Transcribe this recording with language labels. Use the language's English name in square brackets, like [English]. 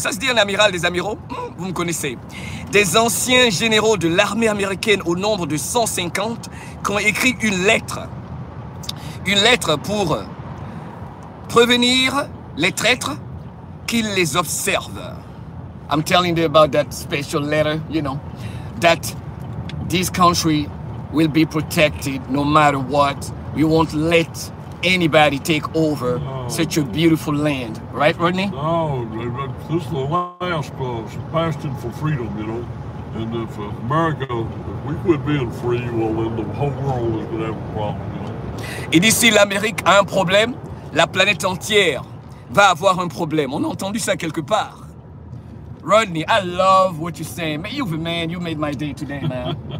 [French] Ça se dit un amiral, des amiraux? Vous me connaissez. Des anciens généraux de l'armée américaine au nombre de 150 qui ont écrit une lettre. Une lettre pour prévenir les traîtres qu'ils les observent. [English] I'm telling you about that special letter, you know, that this country will be protected no matter what. We won't let anybody take over such a beautiful land. Right, Rodney? No, this is the last bastion for freedom, you know. And if America, if we quit being free, well, then the whole world is going to have a problem, you know. [French] Et d'ici l'Amérique a un problème, la planète entière va avoir un problème. On a entendu ça quelque part. Rodney, [English] I love what you're saying. Man, you're the man. You made my day today, man.